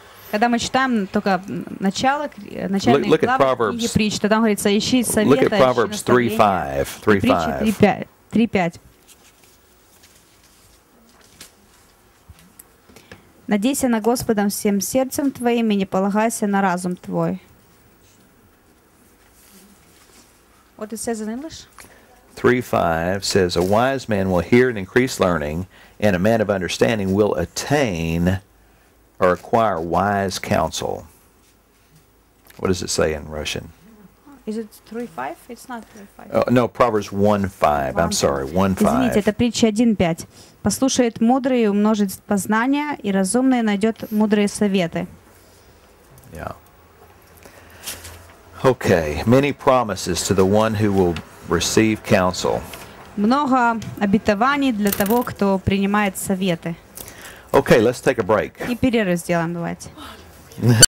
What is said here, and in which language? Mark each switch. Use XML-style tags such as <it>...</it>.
<ru>Когда мы читаем только начало, начальные главы книги притч, то там говорится, ищи совета,</ru> <en>look at Proverbs 3:5.</en> <ru>Надейся на Господа всем сердцем твоим и не полагайся на разум твой.</ru> <en>What it says in English? 3:5 says, a wise man will hear and increase learning, and a man of understanding will attain or acquire wise counsel. What does it say in Russian? Is it 3:5? It's not 3:5. No, Proverbs 1:5. I'm sorry, 1:5.</en> <ru>Извините, это притча 1:5. Послушает мудрый и умножит познание, и разумный найдет мудрые советы.</ru> <en>Yeah. Okay. Many promises to the one who will receive counsel.</en> <ru>Много обетований для того, кто принимает советы.</ru> <en>Okay, let's take a break.</en> <ru>И перерыв сделаем, давайте.</ru>